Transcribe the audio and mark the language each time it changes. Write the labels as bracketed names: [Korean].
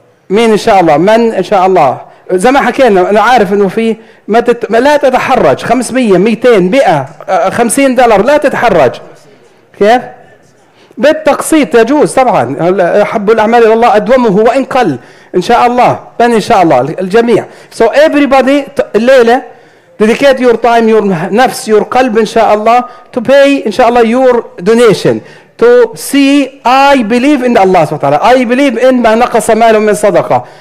[Arabic] مين إن شاء الله؟ من إن شاء الله؟ زي ما حكينا أنا عارف أنه في لا تتحرج، 500, 200, 100, $50 لا تتحرج، كيف؟ بالتقسيط يجوز طبعا، حب الأعمال إلى الله أدومه وإن قل إن شاء الله. من إن شاء الله؟ الجميع. [English] So everybody [Arabic] الليلة [English] dedicate your time, your نفس، your قلب [Arabic] إن شاء الله [English] to pay إن شاء الله your donation to see I believe in Allah [Arabic] سبحانه وتعالى. [English] I believe in [Arabic] ما نقص ماله من صدقة.